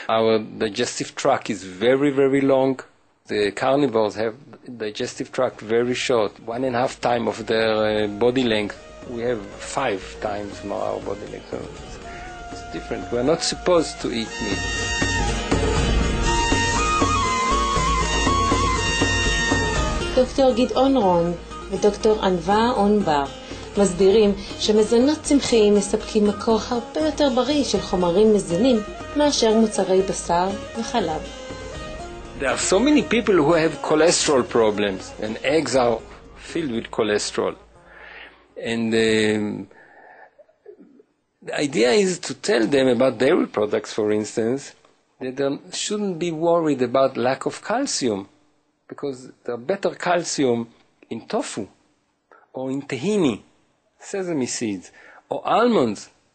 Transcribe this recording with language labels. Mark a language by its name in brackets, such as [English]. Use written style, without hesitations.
[English] Our digestive tract is very, very long. The carnivores have digestive tract very short, 1.5 times of their body length. We have 5 times more our body length. So it's different. We're not supposed to eat meat. [Hebrew] דוקטור גדעון רון ודוקטור ענווה אונבר מסבירים שמזונות צמחיים מספקים מקור הרבה יותר בריא של חומרים מזינים מאשר מוצרי בשר וחלב. [English] There are so many people who have cholesterol problems, and eggs are filled with cholesterol. And the idea is to tell them about dairy products, for instance, that they shouldn't be worried about lack of calcium, because there are better calcium in tofu, or in tahini, sesame seeds, or almonds.